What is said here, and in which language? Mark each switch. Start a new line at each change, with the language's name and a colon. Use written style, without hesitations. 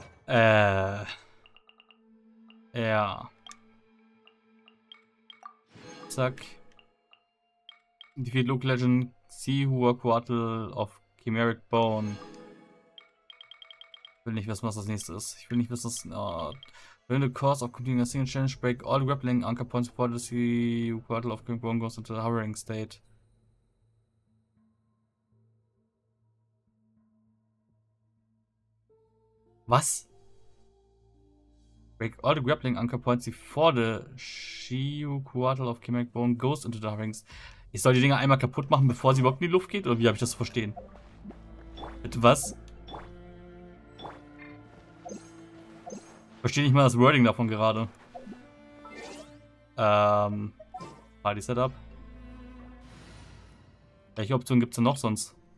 German: Ja.
English: Zack. Defeat Luke Legend Sihua Quartel of Chimeric Bone.
German: Ich will nicht wissen, was das nächste ist. Ich will nicht wissen, was.
English: During the course of completing a single challenge break, all grappling anchor points for the Sihua Quartel of Chimeric Bone goes into the hovering state. Was? Break all the grappling anchor points before the Shiu Quartal of Chimeric Bone goes into the rings.
German: Ich soll die Dinger einmal kaputt machen, bevor sie überhaupt in die Luft geht? Oder wie habe ich das zu verstehen? Bitte was? Verstehe nicht mal das Wording davon gerade. Party Setup. Welche Optionen gibt es denn noch sonst?